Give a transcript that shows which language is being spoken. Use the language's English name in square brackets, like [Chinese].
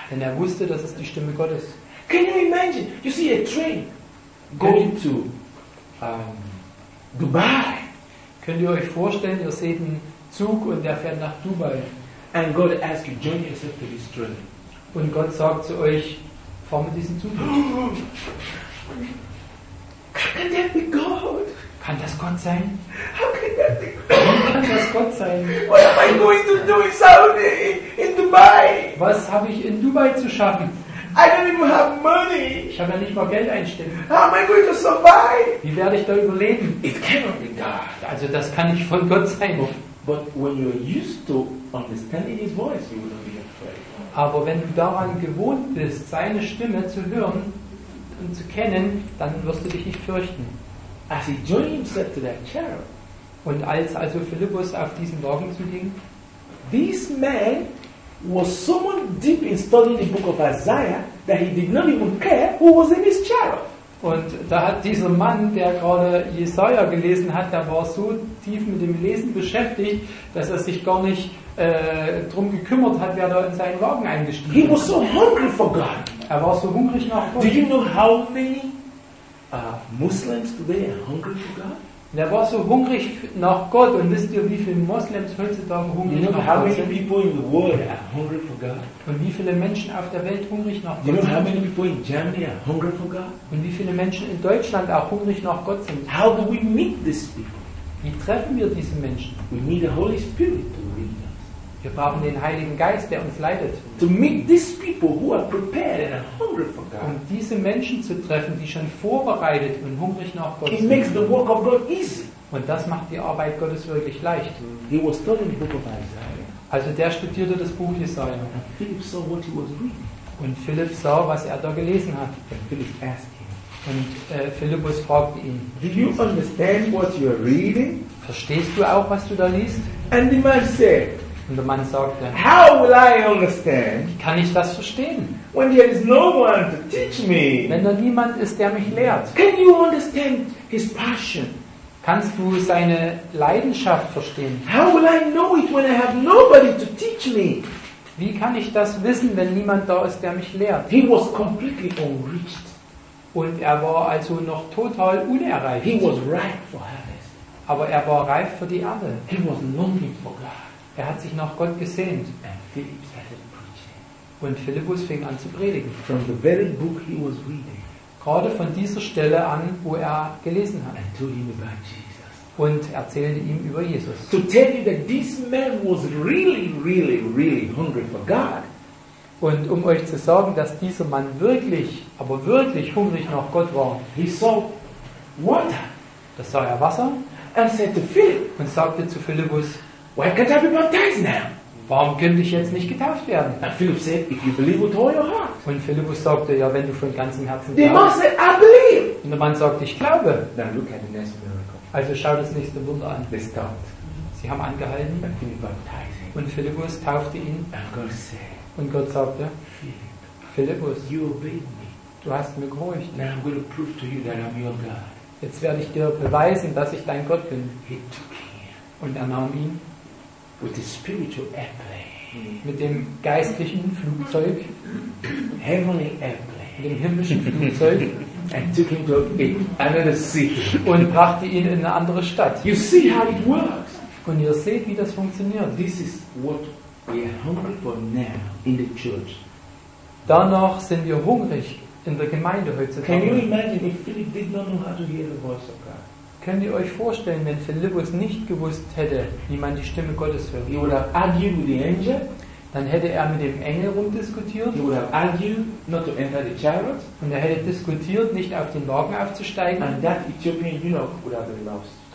[German] Denn er wusste, dass es die Stimme Gottes. [English] Can you imagine? You see a train going to Dubai. [German] Könnt ihr euch vorstellen, ihr seht einen Zug und der fährt nach Dubai. [English] And God asks you, join yourself to this train. [German] Und Gott sagt zu euch, fahr mit diesem Zug. [English] Can that be God? [German] Kann das Gott sein? [English] How can that be God? [German] Kann das Gott sein? [English] What am I going to do in Saudi, in Dubai? [German] Was habe ich in Dubai zu schaffen? [English] I don't even have money. [German] Ich habe ja nicht mal Geld einstecken. [English] How am I going to survive? [German] Wie werde ich da überleben? [English] It cannot be God. [German] Also das kann nicht von Gott sein. [English] But when you're used to understanding his voice, you will not be afraid. [German] Aber wenn du daran gewohnt bist, seine Stimme zu hören und zu kennen, dann wirst du dich nicht fürchten. [English] As he joined himself to that chair. [German] Und als also Philippus auf diesen Wagen zuging, [English] this man was so deep in studying the book of Isaiah that he did not even care who was in his chariot. [German] Und da hat dieser Mann, der gerade Jesaja gelesen hat, der war so tief mit dem Lesen beschäftigt, dass er sich gar nicht drum gekümmert hat, wer da in seinen Wagen eingestiegen ist. [English] He was so hungry for God. [German] Er war so hungrig nach Gott. [English] Do you know how many Muslims today are hungry for God? [German] Er war so hungrig nach Gott. Und wisst ihr, wie viele Moslems heutzutage hungrig [English] you know, [German] nach Gott sind? [English] How many people in the world are hungry for God? [German] Und wie viele Menschen auf der Welt hungrig nach Gott [English] you know, [German] sind? [English] How many people in Germany are hungry for God? [German] Und wie viele Menschen in Deutschland auch hungrig nach Gott sind? [English] How do we meet these people? [German] Wie treffen wir diese Menschen? [English] We need the Holy Spirit to lead us. [German] Wir brauchen den Heiligen Geist, der uns leitet. [English] To meet these people who are prepared and are hungry for God. [German] Um diese Menschen zu treffen, die schon vorbereitet und hungrig nach Gott sind. [English] It makes the work of God easy. [German] Und das macht die Arbeit Gottes wirklich leicht. [English] He was studying the book of Isaiah. [German] Also der studierte das Buch Jesaja. [English] And Philip saw what he was reading. [German] Und Philip sah, was er da gelesen hat. [English] And Philip asked him. [German] Und Philippus fragte ihn: [English] Do you understand what you are reading? [German] Verstehst du auch, was du da liest? [English] And the man said, [German] und der Mann sagte: [English] How will I understand? [German] Kann ich das verstehen? [English] When there is no one to teach me. [German] Wenn da niemand ist, der mich lehrt. [English] Can you understand his passion? [German] Kannst du seine Leidenschaft verstehen? [English] How will I know it when I have nobody to teach me? [German] Wie kann ich das wissen, wenn niemand da ist, der mich lehrt? [English] He was completely unreached. [German] Und er war also noch total unerreicht. [English] He was ripe for heaven. [German] Aber er war reif für die Erde. [English] He was longing for God. [German] Er hat sich nach Gott gesehnt. [English] And Philip started preaching. [German] Und Philippus fing an zu predigen. [English] From the very book he was reading. [German] Gerade von dieser Stelle an, wo er gelesen hat. [English] And told him about Jesus. [German] Und erzählte ihm über Jesus. [English] To tell you that this man was really, really, really hungry for God. [German] Und um euch zu sagen, dass dieser Mann wirklich, aber wirklich hungrig nach Gott war. [English] He saw water. [German] Das sah er Wasser. [English] And said to Philip, [German] und sagte zu Philippus: [English] Why can't I be baptized now? [German] Warum könnte ich jetzt nicht getauft werden? [English] And Philip said, If you believe with all your heart. [German] Und Philippus sagte: Ja, wenn du von ganzem Herzen glaubst. [English] The man said, I believe. [German] Und der Mann sagte: Ich glaube. [English] Then look at the next miracle. [German] Also schau das nächste Wunder an. [English] They stopped. [German] Sie haben angehalten. [English] And Philip baptized. [German] Und Philippus taufte ihn. [English] And God said, [German] und Gott sagte: Philippus, [English] you obeyed me. [German] Du hast mir gehorcht. [English] Now I'm going to prove to you that I'm your God. [German] Jetzt werde ich dir beweisen, dass ich dein Gott bin. [English] He took him. [German] Und er nahm ihn [English] with the spiritual airplane. [German] Mit dem geistlichen Flugzeug. [English] Heavenly airplane. [German] Mit dem himmlischen Flugzeug. [English] And took him to another city. [German] Und brachte ihn in eine andere Stadt. [English] You see how it works. [German] Und ihr seht, wie das funktioniert. [English] This is what we are hungry for now in the church. [German] Danach sind wir hungrig in der Gemeinde heutzutage. [English] Can you imagine if Philip did not know how to hear the voice of God? [German] Könnt ihr euch vorstellen, wenn Philippus nicht gewusst hätte, wie man die Stimme Gottes hört? [English] He would have argued with the angel. [German] Dann hätte er mit dem Engel rumdiskutiert. [English] He would have argued not to enter the chariot. [German] Und er hätte diskutiert, nicht auf den Wagen aufzusteigen. [English] And that Ethiopian eunuch would have been lost.